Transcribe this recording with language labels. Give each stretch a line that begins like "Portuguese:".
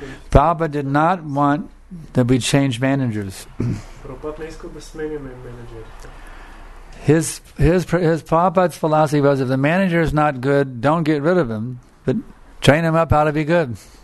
English: Prabhupada did not want that we change managers.
Bulgarian: Prabhupada не искал да сменяме менеджери.
English: His Prabhupada's philosophy was, if the manager is not good, don't get rid of him, but train him up how to be good.